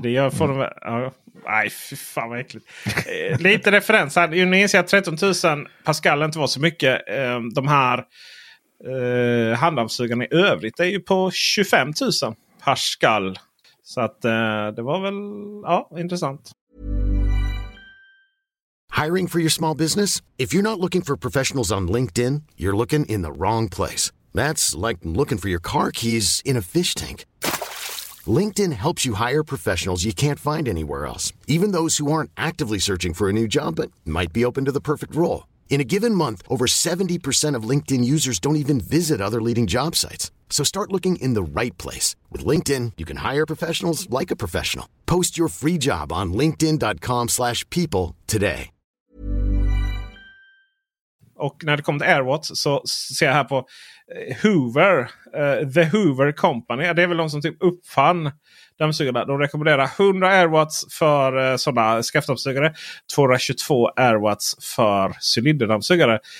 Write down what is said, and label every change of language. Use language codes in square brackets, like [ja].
[sv] Det gör för nej, fy fan vad äckligt. Lite referens här. Nu inser jag att 13 000 pascal inte var så mycket. De här handdammsugarna i övrigt är ju på 25 000 pascal. Så att det var väl intressant. [en] Hiring for your small business? If you're not looking for professionals on LinkedIn, you're looking in the wrong place. That's like looking for your car keys in a fish tank. LinkedIn helps you hire professionals you can't find anywhere else, even those who aren't actively searching for a new job but might be open to the perfect role. In a given month, over 70% of LinkedIn users don't even visit other leading job sites. So start looking in the right place. With LinkedIn, you can hire professionals like a professional. Post your free job on linkedin.com/people today. [sv] Och när det kommer till AirWatts så ser jag här på Hoover. The Hoover Company. Det är väl de som typ uppfann dammsugarna. De rekommenderar 100 AirWatts för sådana skaftdammsugare. 222 AirWatts för cylinderdammsugare.